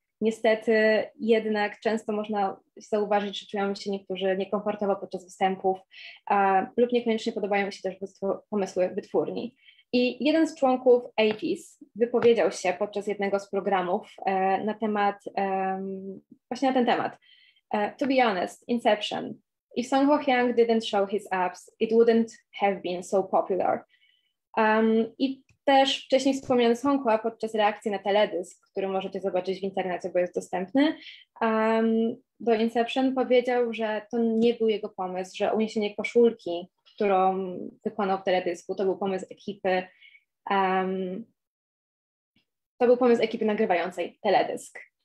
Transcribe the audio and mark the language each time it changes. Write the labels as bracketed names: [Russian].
[Polish] Niestety jednak często można zauważyć, że czują się niektórzy niekomfortowo podczas występów lub niekoniecznie podobają się też pomysły wytwórni. I jeden z członków AGES wypowiedział się podczas jednego z programów na temat, właśnie na ten temat. [English] To be honest, Inception. If Song Ho-hyang didn't show his abs, it wouldn't have been so popular. [Polish] I też wcześniej wspomniany Song Ho podczas reakcji na teledysk, który możecie zobaczyć w internecie, bo jest dostępny, do Inception powiedział, że to nie był jego pomysł, że uniesienie koszulki, którą wykonał w teledysku, to był pomysł ekipy, to był pomysł ekipy nagrywającej teledysk.